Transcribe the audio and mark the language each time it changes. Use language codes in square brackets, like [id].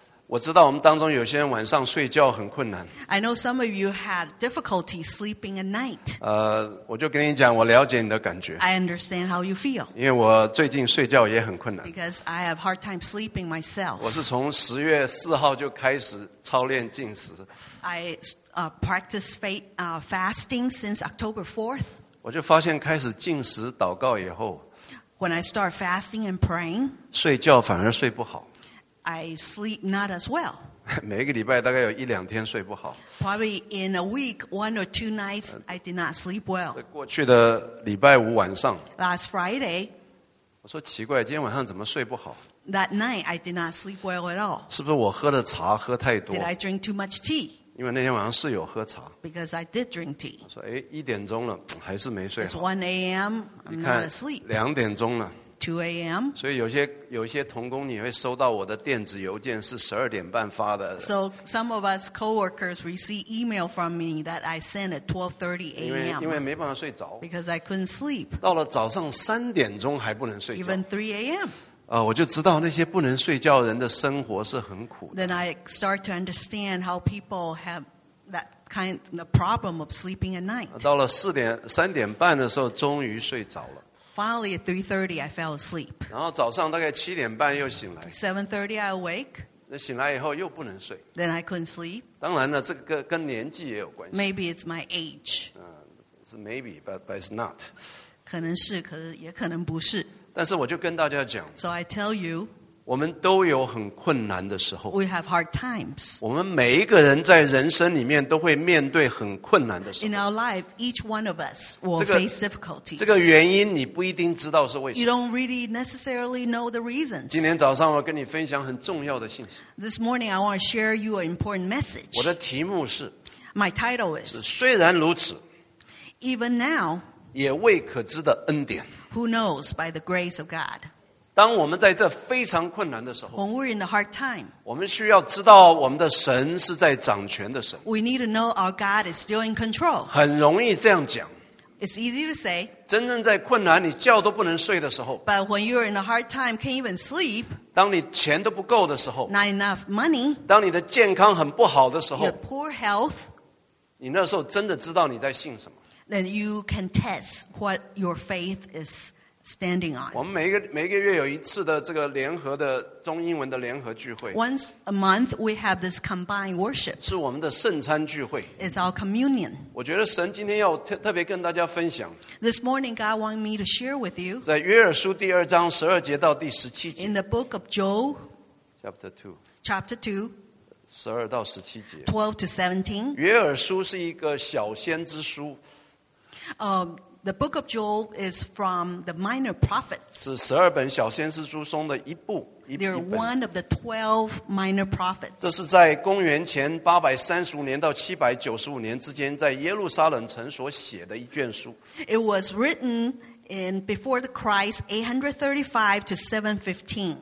[zh] 我知道我们当中有些人晚上睡觉很困难。 [en] I know some of you had difficulty sleeping at night. [zh] 我就跟你讲，我了解你的感觉。 [en] I understand how you feel. [zh] 因为我最近睡觉也很困难。 [en] Because I have hard time sleeping myself. [zh] 我是从十月四号就开始操练禁食。 [en] I practice fasting since October 4th. [zh] 我就发现开始禁食祷告以后， [en] When I start fasting and praying, [zh] 睡觉反而睡不好。 [en] I sleep not as well. [zh] 每个礼拜大概有一两天睡不好。 [en] Probably in a week, one or two nights, I did not sleep well. [zh] 过去的礼拜五晚上。 [en] Last Friday. [zh] 我说奇怪，今天晚上怎么睡不好？ [en] That night, I did not sleep well at all. [zh] 是不是我喝的茶喝太多？ [en] Did I drink too much tea? [zh] 因为那天晚上是有喝茶。 [en] Because I did drink tea. [zh] 我说哎，一点钟了，还是没睡好。 [en] It's 1 a.m. I'm not asleep. [zh] 两点钟了。 [en] 2 a.m. [zh] 所以有些同工你会收到我的电子邮件是十二点半发的。 [en] So some of us coworkers receive email from me that I send at 12:30 a.m. [zh] 因为没办法睡着。 [en] Because I couldn't sleep. [zh] 到了早上三点钟还不能睡觉。 [en] Even 3 a.m. [zh] 我就知道那些不能睡觉人的生活是很苦的。 [en] Then I start to understand how people have that kind of problem of sleeping at night. [zh] 到了三点半的时候终于睡着了。 [en] Finally, at 3:30, I fell asleep. [zh] 然后早上大概七点半又醒来。 [en] 7:30, I awake. [zh] 那醒来以后又不能睡。 [en] Then I couldn't sleep. [zh] 当然呢，这个跟年纪也有关系。 [en] Maybe it's my age. 是 maybe, but it's not. [zh] 可能是，可是也可能不是。但是我就跟大家讲。 [en] So I tell you. [zh] 我们都有很困难的时候。 [en] We have hard times. [zh] 我们每一个人在人生里面都会面对很困难的时候。 [en] In our life, each one of us will face difficulties. [zh] 这个原因你不一定知道是为什么。 [en] You don't really necessarily know the reasons. [zh] 今天早上我跟你分享很重要的信息。 [en] This morning I want to share you an important message. [zh] 我的题目是。 [en] My title is. [zh] 虽然如此。 [en] Even now. [zh] 也未可知的恩典。 [en] Who knows by the grace of God. [zh] 当我们在这非常困难的时候 [en] When we're in the hard time, [zh] 我们需要知道我们的神是在掌权的神 [en] We need to know our God is still in control [zh] 很容易这样讲 [en] It's easy to say [zh] 真正在困难你觉都不能睡的时候 [en] But when you're in a hard time, can't even sleep [zh] 当你钱都不够的时候 [en] Not enough money [zh] 当你的健康很不好的时候 [en] Your poor health [zh] 你那时候真的知道你在信什么 [en] Then you can test what your faith isStanding on. [zh] 我们每个月有一次的这个联合的中英文的联合聚会。 [en] Once a month, we have this combined worship. [zh] 是我们的圣餐聚会。 [en] It's our communion. [zh] 我觉得神今天要特别跟大家分享。 [en] This morning, God wants me to share with you. [zh] 在约珥书第二章十二节到第十七节。 [en] In the book of Joel, chapter two. Chapter two. [zh] 十二到十七节。 [en] 12-17. [zh] 约珥书是一个小先知书。 [en] The book of Joel is from the minor prophets. [zh] 是十二本小先知书中的一部。 [en] They are one of the 12 minor prophets. [zh] 这是在公元前835年到795年之间，在耶路撒冷城所写的一卷书。 [en] It was written in before the Christ 835-715.